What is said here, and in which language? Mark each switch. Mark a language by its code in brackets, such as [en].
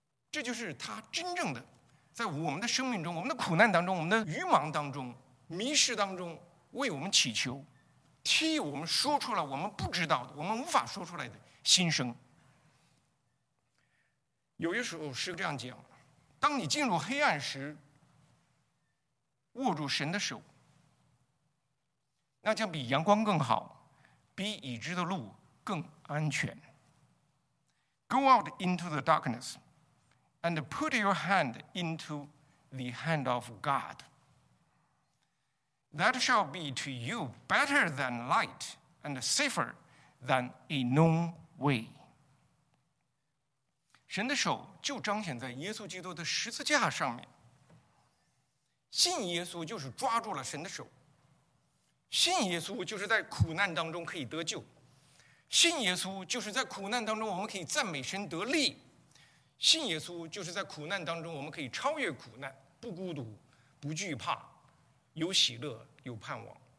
[zh] 这就是他真正的在我们的生命中、我们的苦难当中、我们的愚盲当中、迷失当中为我们祈求，替我们说出来我们不知道的、我们无法说出来的心声。有些时候是这样讲，当你进入黑暗时，握住神的手，那将比阳光更好，比已知的路更安全。 [en] Go out into the darkness and put your hand into the hand of God. That shall be to you better than light and safer than a known way. [zh] 神的手就彰显在耶稣基督的十字架上面。信耶稣就是抓住了神的手，信耶稣就是在苦难当中可以得救，信耶稣就是在苦难当中我们可以赞美神得力，信耶稣就是在苦难当中我们可以超越苦难，不孤独，不惧怕，有喜乐，有盼望。